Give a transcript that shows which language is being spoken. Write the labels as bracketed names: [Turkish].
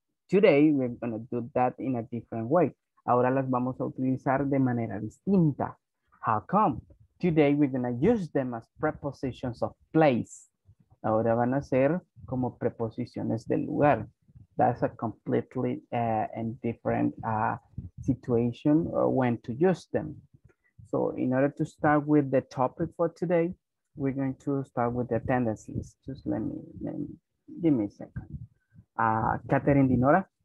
[English] Today, we're going to do that in a different way. [Spanish] Ahora las vamos a utilizar de manera distinta. [English] How come? Today, we're going to use them as prepositions of place. [Spanish] Ahora van a ser como preposiciones del lugar. [English] That's a completely and different situation or when to use them. So in order to start with the topic for today, we're going to start with the attendance list. Just let me give me a second. Catherine Dinora.